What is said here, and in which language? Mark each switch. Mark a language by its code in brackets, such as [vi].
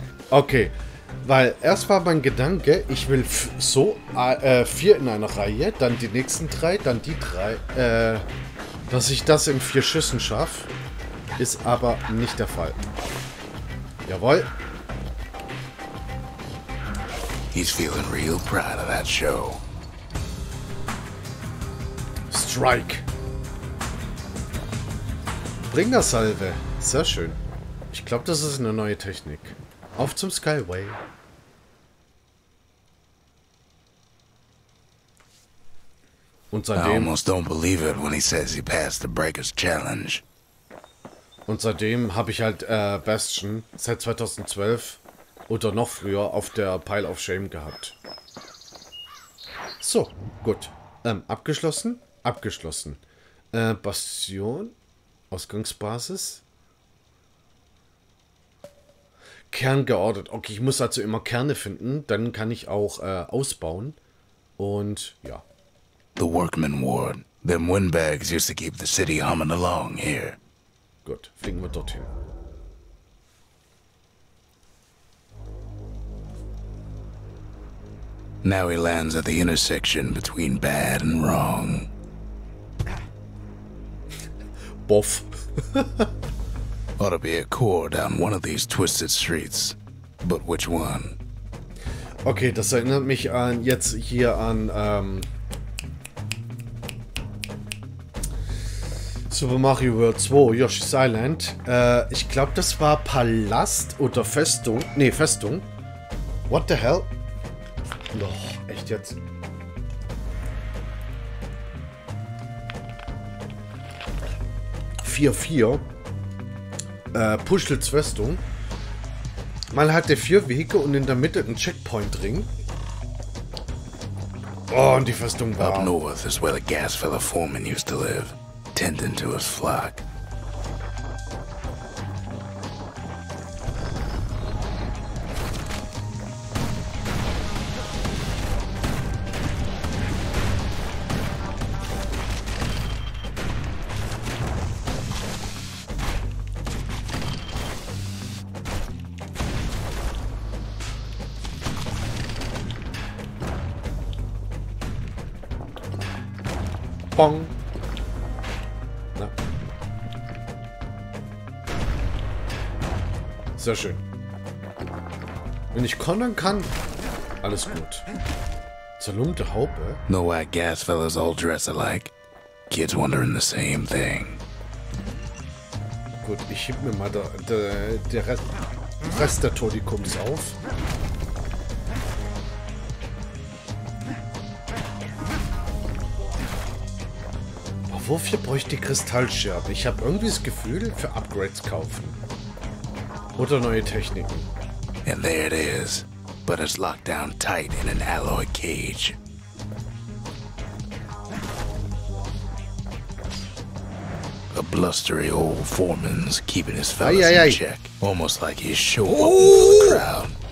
[de] Okay, weil erst war mein Gedanke, ich will so 4 in einer Reihe, dann die nächsten 3, dann die 3. Dass ich das in 4 Schüssen schaffe, ist aber nicht der Fall. Jawohl. [en] He's feeling real proud of that show. Strike. [de] Bringersalve. Sehr schön. Ich glaube, das ist eine neue Technik. Auf zum Skyway. Und seitdem, [en] I almost don't believe it when he says he passed the Breaker's Challenge. [de] Und seitdem habe ich halt Bastion seit 2012 oder noch früher auf der [en] Pile of Shame [de] gehabt. So, gut. Abgeschlossen? Abgeschlossen. Bastion? Ausgangsbasis? Kern geordert. Okay, ich muss also immer Kerne finden. Dann kann ich auch ausbauen. Und ja. [en] The Workman Ward. Them windbags used to keep the city humming along here. [de] Gut, fliegen wir dorthin. [en] Now he lands at the intersection between bad and wrong. Boff. Ought to be a core down one of these twisted streets. But which one? [de] Okay, das erinnert mich an jetzt hier an Super Mario World 2, Yoshi's Island. Ich glaube, das war Palast oder Festung. Nee, Festung. [en] What the hell? [de] Noch, echt jetzt? Puschels Festung. Man hatte vier Wege und in der Mitte einen Checkpoint-Ring. Oh, und die Festung war... [en] Up north is where the gas fella Foreman used to live, tending to his flock. [de] Bong. Na. Sehr schön. Wenn ich kontern kann, alles gut. Zerlumpte Haube. [en] No way, gas fellas all dress alike. Kids wondering the same thing. [de] Gut, ich heb mir mal der Rest der Todikums auf. Wofür bräuchte ich Kristallscherben? Ich habe irgendwie das Gefühl, für Upgrades kaufen. Oder neue Techniken. [en] And there it is. But it's locked down tight in an alloy cage. A blustery old foreman's keeping his fellas in check. Almost like he's showing up in the crowd.